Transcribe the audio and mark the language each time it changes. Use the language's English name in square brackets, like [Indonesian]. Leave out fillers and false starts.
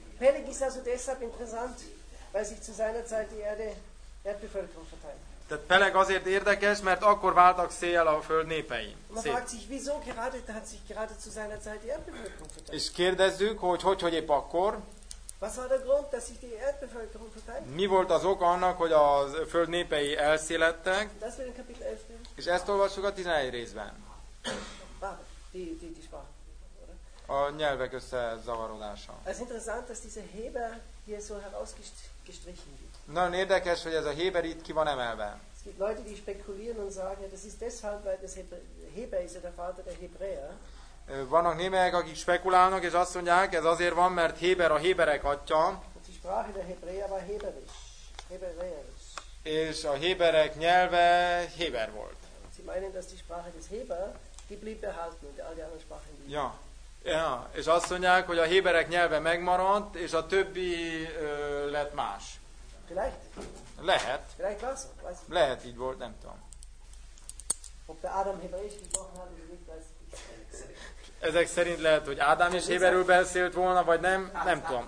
[German] Peleg ist also deshalb interessant, weil sich zu seiner Zeit die Erde Erdbevölkerung verteilt. [Hungarian] Tehát Peleg azért érdekes, mert akkor váltak széllyel a föld népei. [German] Man fragt sich, wieso gerade hat sich gerade zu seiner Zeit die Erdbevölkerung verteilt. [Hungarian] És kérdezzük, hogy épp akkor. [German] Was war der Grund, dass sich die Erdbevölkerung verteilt? [Hungarian] Mi volt az oka annak, hogy a föld népei elszélettek? [German] Das wird in Kapitel 11. [Hungarian] És ezt olvassuk a 11. részben. [German] Die Sprache. [Hungarian] A nyelvek összezavarodása. [German] Es interessant, dass dieser Heber hier so herausgestrichen wird. [Hungarian] Nagyon érdekes, hogy ez a Heber itt ki van emelve. [German] Es gibt Leute, die spekulieren und sagen, das ist deshalb, weil das Heber ist ja der Vater der Hebräer. [Hungarian] Vannak némelyek, akik spekulálnak, és azt mondják, ez azért van, mert Heber a héberek atya. [German] Und die Sprache der Hebräer war Heberisch. Hebräisch. [Hungarian] És a héberek nyelve Heber volt. [German] Sie meinen, dass die Sprache des Heber, die blieb behalten, und all die anderen Sprachen blieben. Ja. [Hungarian] Ja, és azt mondják, hogy a héberek nyelve megmaradt, és a többi lett más. [German] Vielleicht. [Hungarian] Lehet. [German] Vielleicht was? Weiß ich. [Hungarian] Lehet, így volt, nem tudom. [German] Ob der Adam hebräisch gesprochen hat, oder nicht, weiß ich. [Hungarian] Ezek szerint lehet, hogy Ádám is héberül beszélt volna, vagy nem, nem tudom.